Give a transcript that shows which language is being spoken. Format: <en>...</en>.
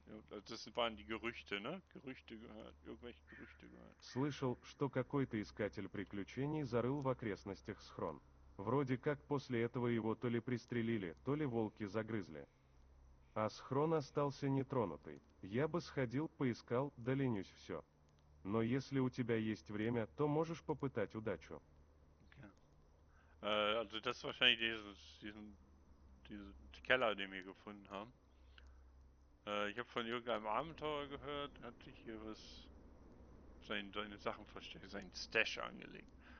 <de>Also das waren die Gerüchte, ne? Gerüchte gehört, irgendwelche Gerüchte gehört.</de> <ru>Слышал, что какой-то искатель приключений зарыл в окрестностях схрон. Вроде как после этого его то ли пристрелили, то ли волки загрызли. А схрон остался нетронутый. Я бы сходил, поискал, да ленюсь все. Но если у тебя есть время, то можешь попытать удачу.</ru> <de>Also das wahrscheinlich diesen Keller, den wir gefunden haben. Ich habe von irgendeinem Abenteurer gehört, hat sich hier was seine Sachen versteckt, seinen Stash angelegt.</de>